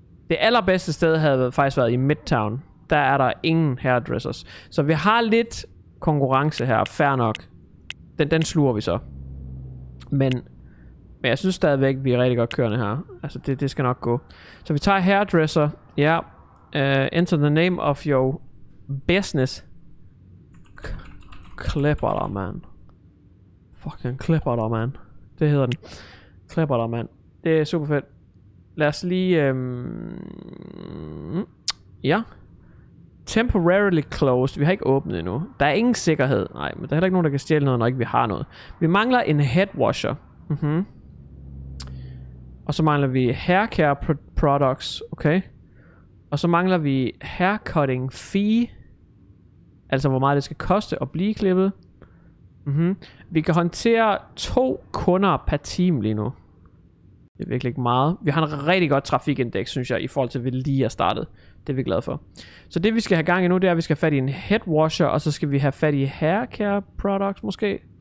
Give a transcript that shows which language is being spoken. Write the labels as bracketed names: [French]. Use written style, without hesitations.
[Danish] Det allerbedste sted havde faktisk været i Midtown. Der er der ingen hairdressers. Så vi har lidt konkurrence her, fair nok. Den sluger vi så. Men jeg synes stadigvæk, vi er rigtig godt kørende her. Altså det skal nok gå. Så vi tager hairdresser. Ja. [English] Enter the name of your business. [Danish] Klipper der, man. Fucking klipper der, man. Det hedder den. Klipper der, man. Det er super fedt. Lad os lige ja. [English] Temporarily closed. [Danish] Vi har ikke åbnet endnu. Der er ingen sikkerhed. Nej, men der er heller ikke nogen, der kan stjæle noget, når ikke vi har noget. Vi mangler en headwasher. Mm-hmm. Og så mangler vi haircare products. Okay. Og så mangler vi haircutting fee. Altså hvor meget det skal koste at blive klippet. Mm-hmm. Vi kan håndtere to kunder per team lige nu. Det er virkelig ikke meget. Vi har en rigtig godt trafikindeks, synes jeg, i forhold til, at vi lige har startet. Det er vi glade for. Så det, vi skal have gang i nu, det er, at vi skal have fat i en headwasher, og så skal vi have fat i hair care products, måske.